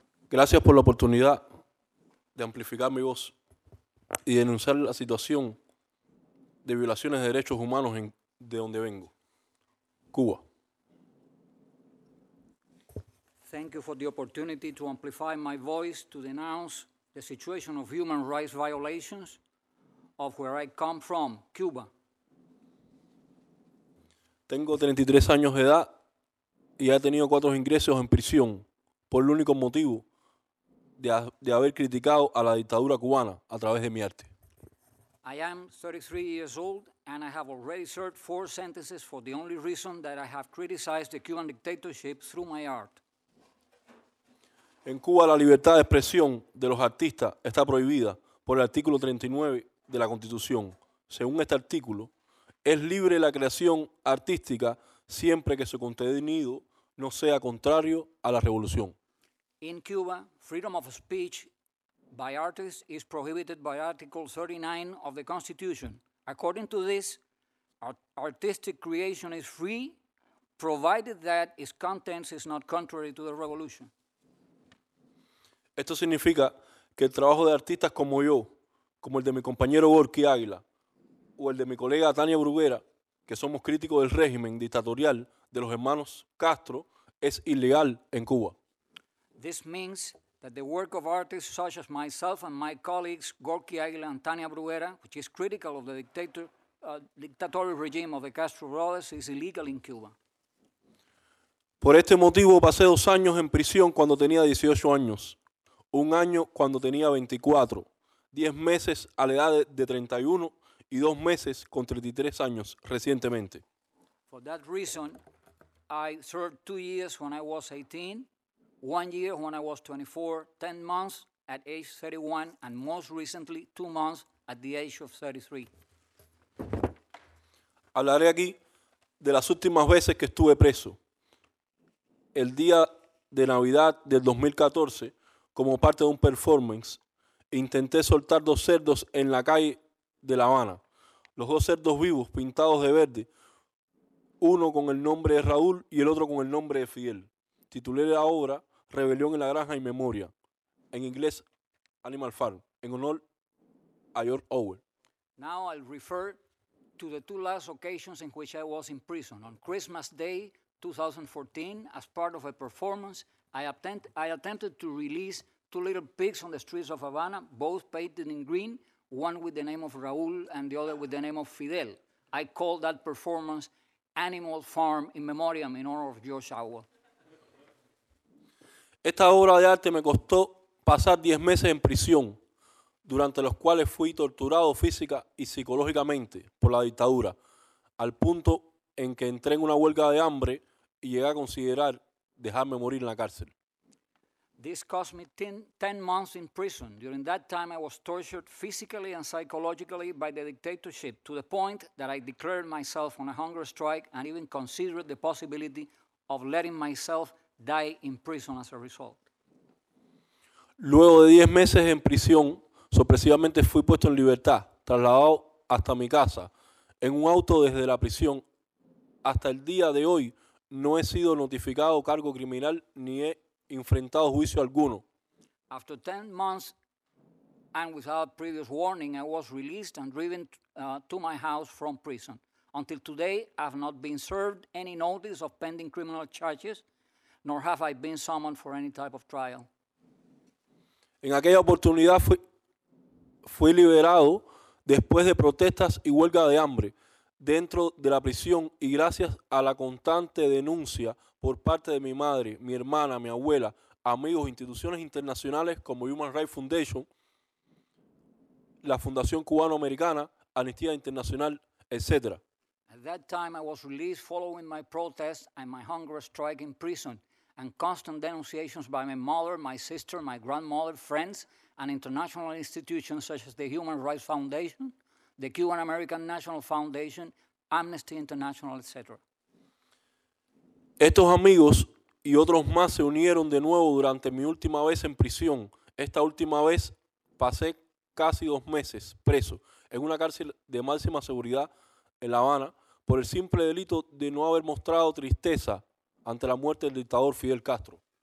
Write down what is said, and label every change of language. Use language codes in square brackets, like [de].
[es] Gracias por la oportunidad de amplificar mi voz y denunciar la situación de violaciones de derechos humanos de donde vengo. Cuba. [en] Thank you for the opportunity to amplify my voice to denounce the situation of human rights violations of where I come from, Cuba. [es] Tengo 33 años de edad y he tenido cuatro ingresos en prisión por el único motivo de haber criticado a la dictadura cubana a través de mi arte. [en] I am 33 years old and I have already served four sentences for the only reason that I have criticized the Cuban dictatorship through my art. [es] En Cuba la libertad de expresión de los artistas está prohibida por el artículo 39 de la Constitución. Según este artículo, es libre la creación artística siempre que su contenido no sea contrario a la revolución. [en] In Cuba, freedom of speech by artists is prohibited by Article 39 of the Constitution. According to this, artistic creation is free, provided that its contents is not contrary to the revolution. [es] Esto significa que el trabajo de artistas como yo, como el de mi compañero Gorky Águila, o el de mi colega Tania Bruguera, que somos críticos del régimen dictatorial de los hermanos Castro, es ilegal en Cuba. [en] This means that the work of artists such as myself and my colleagues, Gorky Águila and Tania Bruguera, which is critical of the dictatorial regime of the Castro brothers, is illegal in Cuba. [es] Por este motivo pasé dos años en prisión cuando tenía 18 años, un año cuando tenía 24, 10 meses a la edad de 31 y dos meses con 33 años recientemente. [en] For that reason, I served 2 years when I was 18, 1 year when I was 24, 10 months at age 31, and most recently, 2 months at the age of 33. [es] Hablaré aquí de las últimas veces que estuve preso. El día de Navidad del 2014, como parte de un performance, intenté soltar dos cerdos en la calle de La Habana. Los dos cerdos vivos, pintados de verde, uno con el nombre de Raúl y el otro con el nombre de Fidel. Titulé la obra Rebelión en la Granja y Memoria, en inglés Animal Farm, en honor a George Orwell. [en] Now I'll refer to the two last occasions in which I was in prison. On Christmas Day 2014, as part of a performance, I attempted to release two little pigs on the streets of Havana, both painted in green, one with the name of Raúl and the other with the name of Fidel. I call that performance Animal Farm in Memoriam, in honor of George Orwell. [es] Esta obra de arte me costó pasar 10 meses en prisión, durante los cuales fui torturado física y psicológicamente por la dictadura, al punto en que entré en una huelga de hambre y llegué a considerar dejarme morir en la cárcel. [en] This cost me 10 months in prison. During that time, I was tortured physically and psychologically by the dictatorship to the point that I declared myself on a hunger strike and even considered the possibility of letting myself die in prison as a result. [es] Luego de 10 meses en prisión, sorpresivamente fui puesto en libertad, trasladado hasta mi casa en un auto desde la prisión. Hasta el día de hoy, no he sido notificado cargo criminal ni he enfrentado juicio alguno. [en] After 10 months and without previous warning, I was released and driven to my house from prison. Until today, I have not been served any notice of pending criminal charges, nor have I been summoned for any type of trial. [es] En aquella oportunidad fui liberado después de protestas y huelga de hambre dentro de la prisión y gracias a la constante denuncia por parte de mi madre, mi hermana, mi abuela, amigos, instituciones internacionales como Human Rights Foundation, la Fundación Cubano-Americana, Amnistía Internacional, etc. [en] At that time I was released following my protests and my hunger strike in prison and constant denunciations by my mother, my sister, my grandmother, friends, and international institutions such as the Human Rights Foundation, the Cuban-American National Foundation, Amnesty International, etc. [es] Estos amigos y otros más se unieron de nuevo durante mi última vez en prisión. Esta última vez pasé casi dos meses preso en una cárcel de máxima seguridad en La Habana por el simple delito de no haber mostrado tristeza ante la muerte del dictador Fidel Castro.